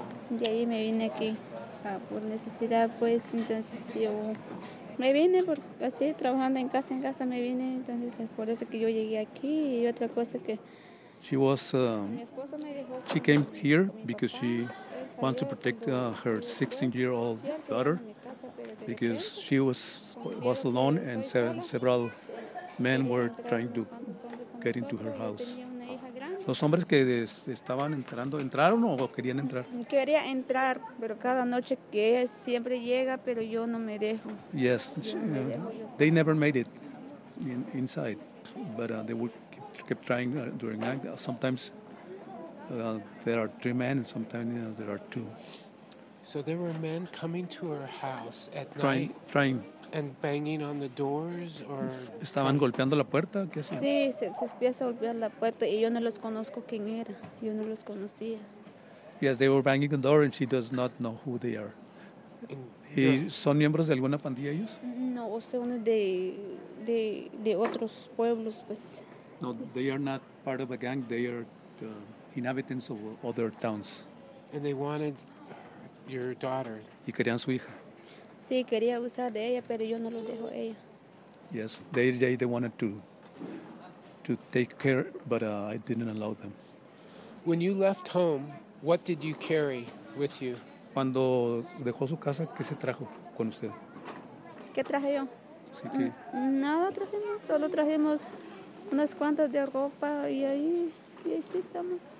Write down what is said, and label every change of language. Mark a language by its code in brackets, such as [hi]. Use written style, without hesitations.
[es] De ahí me vine aquí por necesidad, pues. Entonces yo me vine por así, trabajando en casa me vine. Entonces es por eso que yo llegué aquí. Y otra cosa que... [en] She came here because she wants to protect her 16-year-old daughter because she was alone and several men were trying to get into her house. [es] Los hombres que estaban entrando, ¿entraron o querían entrar? Quería entrar, pero cada noche que siempre llega, pero yo no me dejo. [en] Yes, they never made it inside, but they would kept trying during night. Sometimes there are three men, and sometimes there are two. So there were men coming to her house at trying, night? Trying. And banging on the doors? Or [es] estaban golpeando la puerta? ¿Qué hacían? Sí, se empieza a golpear la puerta y yo no los conozco quién era. Yo no los conocía. [en] Yes, they were banging on the door and she does not know who they are. [es] ¿Y son miembros de alguna pandilla ellos? No, o sea, uno de otros pueblos, pues. [en] No, they are not part of a gang. They are the inhabitants of other towns. And they wanted your daughter. [es] Y querían su hija. Sí, quería usar de ella, pero yo no lo dejo ella. [en] Yes, they wanted to take care, but I didn't allow them. When you left home, what did you carry with you? [es] Cuando dejó su casa, ¿qué se trajo con usted? ¿Qué traje yo? Sí, ¿qué? Nada trajimos, solo trajimos... Unas cuantas de ropa y ahí, y ahí sí estamos.